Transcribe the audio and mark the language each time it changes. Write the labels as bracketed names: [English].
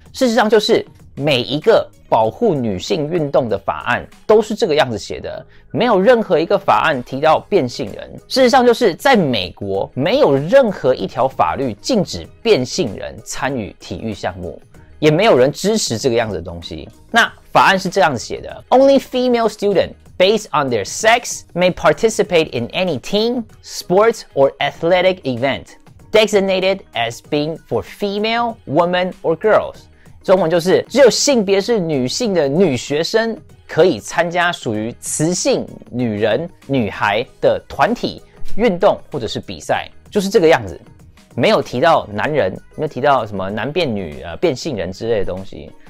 [Chinese] 事实上就是每一个保护女性运动的法案都是这个样子写的，没有任何一个法案提到变性人。事实上就是在美国没有任何一条法律禁止变性人参与体育项目，也没有人支持这个样子的东西。那法案是这样子写的， [English] Only female student based on their sex may participate in any team, sports or athletic event designated as being for female, woman or girls。 [Chinese] 中文就是只有性别是女性的女学生可以参加属于雌性女人女孩的团体运动或者是比赛，就是这个样子，没有提到男人，没有提到什么男变女变性人之类的东西。